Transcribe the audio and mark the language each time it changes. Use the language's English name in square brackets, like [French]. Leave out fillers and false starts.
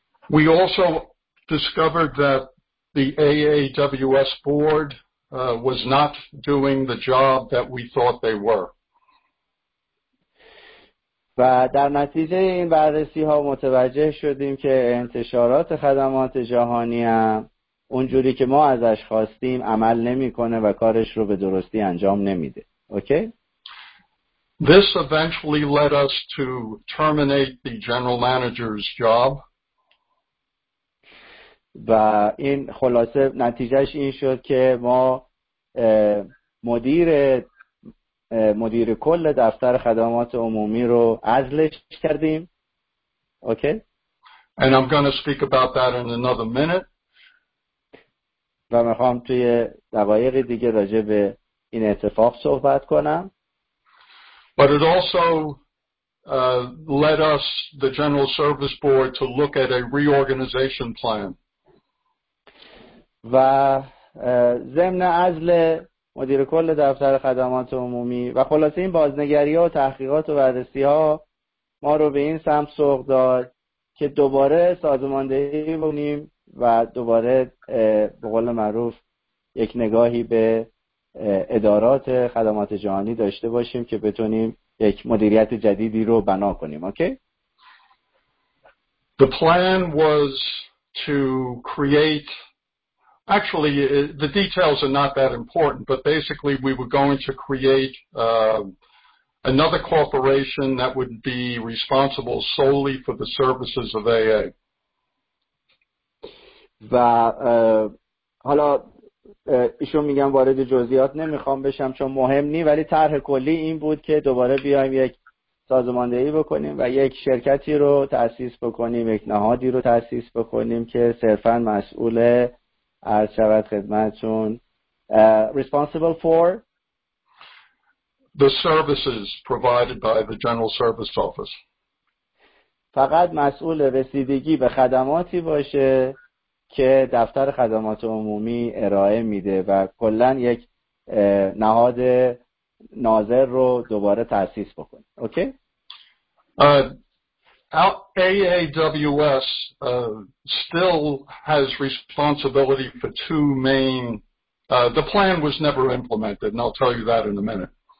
[English] We also discovered that the AAWS board was not doing the job that we thought they were. [Persian] و در نتیجه این بررسی ها متوجه شدیم که انتشارات خدمات جهانی هم اونجوری که ما ازش خواستیم عمل نمی کنه و کارش رو به درستی انجام نمیده. [English] Okay. This eventually led us to terminate the general manager's job. [Persian] و این خلاصه نتیجهش این شد که ما مدیر کل دفتر خدمات عمومی رو عزلش کردیم. [English] Okay. And I'm going to speak about that in another minute. [Persian] و میخوام توی دقایق دیگه راجع به این اتفاق صحبت کنم. [English] But it also led us, the General Service Board, to look at a reorganization plan. [Persian] و ضمن عزل مدیر کل دفتر خدمات عمومی و خلاصه این بازنگری ها و تحقیقات و بررسی ها ما رو به این سمت سوق داد که دوباره سازماندهی بکنیم و دوباره به قول معروف یک نگاهی به ادارات خدمات جهانی داشته باشیم که بتونیم یک مدیریت جدیدی رو بنا کنیم. [English] Okay? The plan was to create, actually the details are not that important, but basically we were going to create another corporation that would be responsible solely for the services of AA. [Persian] و حالا ایشون میگن وارد جزئیات نمیخوام بشم چون مهم نی، ولی طرح کلی این بود که دوباره بیایم یک سازماندهی بکنیم و یک شرکتی رو تأسیس بکنیم، یک نهادی رو تأسیس بکنیم که صرفا مسئول از شبت خدمتون [English] responsible for the services provided by the General Service Office، [Persian] فقط مسئول رسیدگی به خدماتی باشه که دفتر خدمات عمومی ارائه میده و کلن یک نهاد ناظر رو دوباره تأسیس بکنه. [English] Okay? AAWS still has responsibility for two main the plan was never implemented and I'll tell you that in a minute.